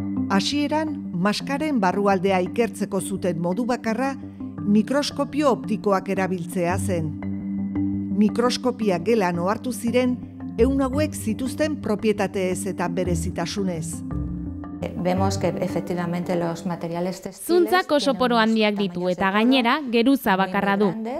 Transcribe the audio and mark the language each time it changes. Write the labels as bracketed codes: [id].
[eu] Hasieran, maskaren barrualdea ikertzeko zuten modu bakarra, mikroskopio optikoak erabiltzea zen. Mikroskopia gelan ohartu ziren, eun hauek zituzten propietateez eta berezitasunez. [es] Vemos que efectivamente los materiales textiles... [eu] Zuntzak oso poro handiak ditu eta gainera geruza bakarra du.